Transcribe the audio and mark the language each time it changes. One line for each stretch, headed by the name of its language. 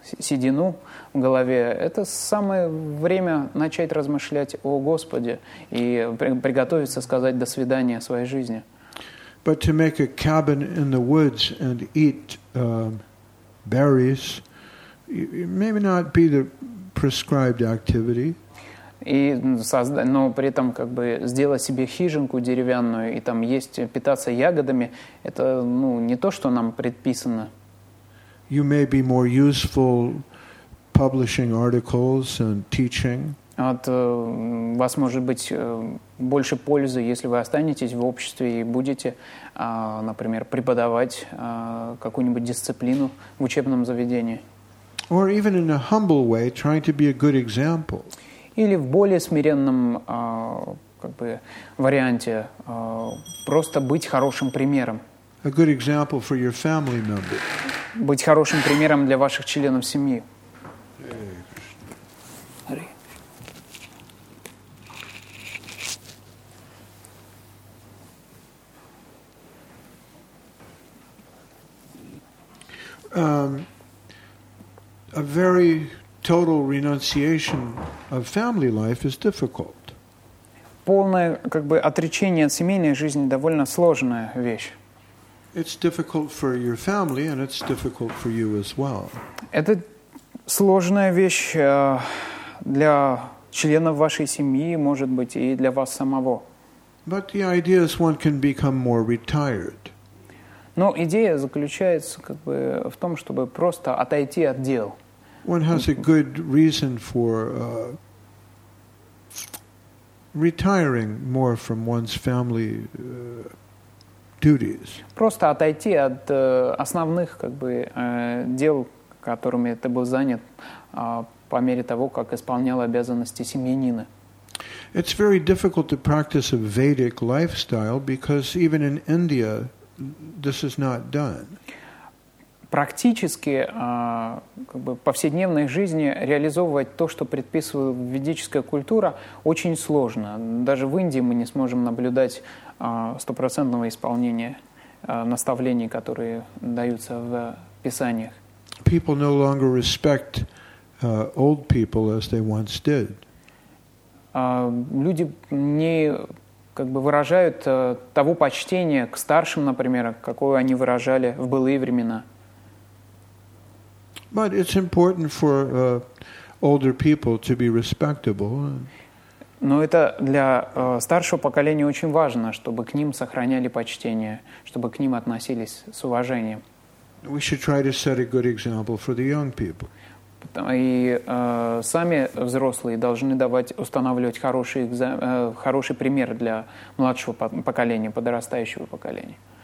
Russian: седину в голове, это самое время начать размышлять о Господе и приготовиться сказать «до свидания» своей жизни.
English: But to make a cabin in the woods and eat berries, it may not be the prescribed activity.
Russian: И создать, но при этом как бы сделать себе хижинку деревянную и там есть, питаться ягодами, это ну не то, что нам предписано.
English: You may be more useful publishing articles and teaching.
Russian: От вас может быть больше пользы, если вы останетесь в обществе и будете, например, преподавать какую-нибудь дисциплину в учебном заведении.
English: Or even in a humble way, trying to be a good example.
Russian: Или в более смиренном как бы варианте просто быть хорошим примером.
English: A good example for your family member.
Russian: Быть хорошим примером для ваших членов семьи.
English: A very total renunciation of family life is difficult.
Russian: Полное как бы отречение от семейной жизни довольно сложная вещь.
English: It's difficult for your family and it's difficult for you as well.
Russian: Это сложная вещь для членов вашей семьи, может быть, и для вас самого.
English: But the idea is one can become more retired.
Russian: Но идея заключается как бы в том, чтобы просто отойти от дел.
English: One has a good reason for retiring more from one's family duties.
Russian: Просто отойти от основных как бы дел, которыми ты был занят по мере того, как исполнял обязанности семьянина.
English: It's very difficult to practice a Vedic lifestyle because even in India this is not done.
Russian: Практически как бы повседневной жизни реализовывать то, что предписывает ведическая культура, очень сложно. Даже в Индии мы не сможем наблюдать стопроцентного исполнения наставлений, которые даются в писаниях.
English: People no longer respect old people as they once did.
Russian: Люди не как бы выражают того почтения к старшим, например, какое они выражали в былые времена.
English: But it's important for older people to be respectable.
Russian: Но это для старшего поколения очень важно, чтобы к ним сохраняли почтение, чтобы к ним относились с уважением.
English: We should try to set a good example for the young people.
Russian: И сами взрослые должны давать, устанавливать хороший пример для младшего поколения, подрастающего поколения.